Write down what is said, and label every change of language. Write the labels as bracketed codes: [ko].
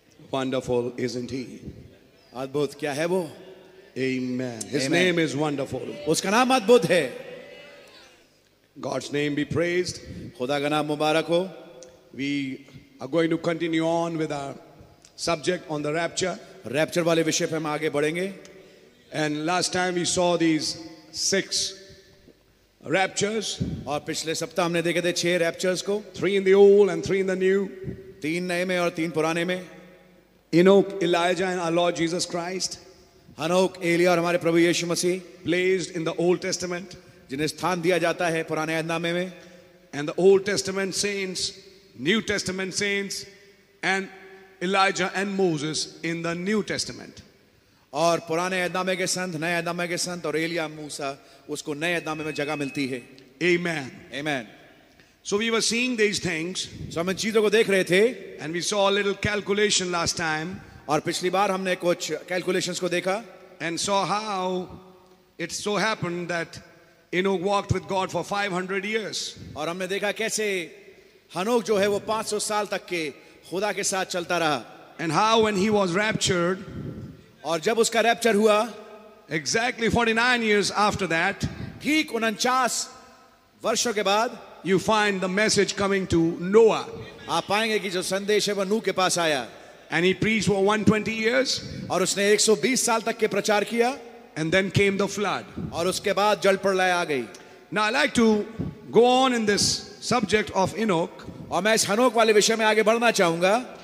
[en] Wonderful, isn't he? [hi] अद्भुत क्या है वो? [en] Amen. His name is wonderful. [hi] उसका नाम अद्भुत है. [en] God's name be praised. [hi] खुदा का नाम मुबारक हो. [en] We are going to continue on with our subject on the rapture. [hi] Rapture वाले विषय पे हम आगे बढ़ेंगे. [en] And last time we saw these six. Raptures. [hi] और पिछले सप्ताह हमने देखे थे छह रैप्चर्स को. [en] Three in the old and three in the new. [hi] तीन नए में और तीन पुराने में. [en] Enoch, Elijah and our Lord Jesus Christ. [hi] हनोक, एलिया और हमारे प्रभु यीशु मसीह. [en] Placed in the Old Testament. [hi] जिन्हें स्थान दिया जाता है पुराने अहदनामे में. [en] And the Old Testament saints, New Testament saints and Elijah and Moses in the New Testament. [hi] और पुराने अहदनामे के संत, नए अहदनामे के संत और एलिया मूसा उसको नए अहदनामे में जगह मिलती है. [en] Amen. Amen. So we were seeing these things. [hi] So हम इन चीजों को देख रहे थे. [en] And we saw a little calculation last time. [hi] और पिछली बार हमने कुछ calculations को देखा. [en] And saw how it so happened that Enoch walked with God for 500 years. [hi] और हमने देखा कैसे हनोक जो है वो 500 साल तक के खुदा के साथ चलता रहा. [en] And how when he was raptured. [hi] और जब उसका रैप्चर हुआ. [en] Exactly 49 years after that, [hi] ठीक 49 वर्षों के बाद, [en] you find the message coming to Noah. [hi] आप पाएंगे कि जो संदेश है वो नूह के पास आया. [en] And he preached for 120 years. [hi] और उसने 120 साल तक के प्रचार किया. [en] And then came the flood. [hi] और उसके बाद जल प्रलय आ गई. [en] Now I'd like to go on in this subject of Enoch. [hi] और मैं इस हनोक वाले विषय में आगे बढ़ना चाहूँगा.